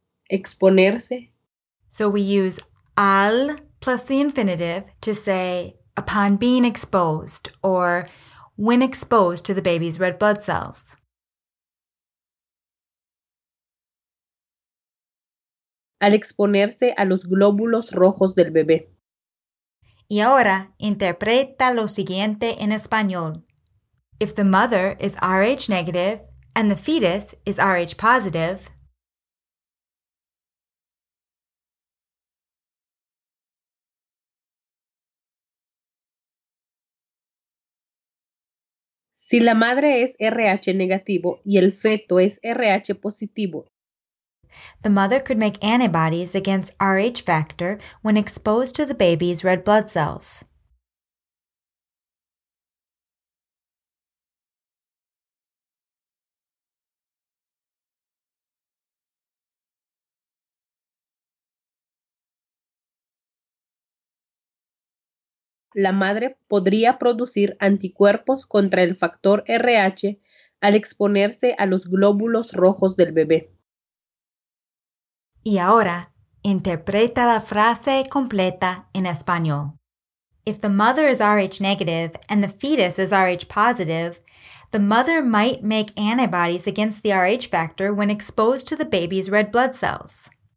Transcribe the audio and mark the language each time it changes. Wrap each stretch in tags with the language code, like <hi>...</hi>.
<es>exponerse.</es> <en>So we use al plus the infinitive to say upon being exposed or when exposed to the baby's red blood cells.</en> <es>Al exponerse a los glóbulos rojos del bebé. Y ahora, interpreta lo siguiente en español.</es> <en>If the mother is RH negative and the fetus is RH positive.</en> <es>Si Si la madre es RH negativo y el feto es RH positivo,</es> <en>the mother could make antibodies against RH factor when exposed to the baby's red blood cells.</en> <es>La madre podría producir anticuerpos contra el factor RH al exponerse a los glóbulos rojos del bebé. Y ahora, interpreta la frase completa en español.</es> <en>If the mother is RH negative and the fetus is RH positive, the mother might make antibodies against the RH factor when exposed to the baby's red blood cells.</en>